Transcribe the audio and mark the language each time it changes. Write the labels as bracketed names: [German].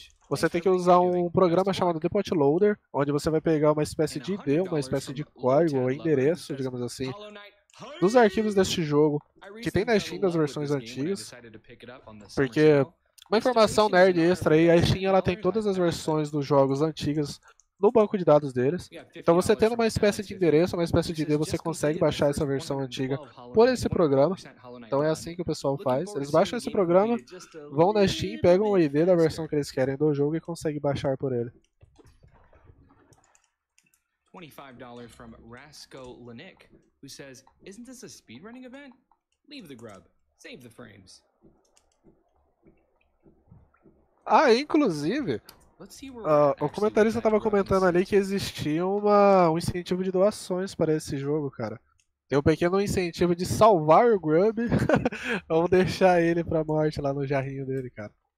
[Portuguese] Você tem que usar um programa chamado Depot Loader, onde você vai pegar uma espécie de ID, uma espécie de código, ou endereço, digamos assim, dos arquivos deste jogo, que tem na Steam das versões antigas, porque, uma informação nerd extra aí, a Steam ela tem todas as versões dos jogos antigas no banco de dados deles. Então você tendo uma espécie de endereço, uma espécie de ID, você consegue baixar essa versão antiga por esse programa. Então é assim que o pessoal faz. Eles baixam esse programa, vão na Steam, pegam o ID da versão que eles querem do jogo e conseguem baixar por ele. [English] $25 from Rasco Lenick, who says, "Isn't this a speedrunning event? Leave the grub. Save the frames." [Portuguese] Ah, inclusive, o comentarista estava comentando ali que existia um incentivo de doações para esse jogo, cara. Tem um pequeno incentivo de salvar o Grub ou deixar ele pra morte lá no jarrinho dele, cara.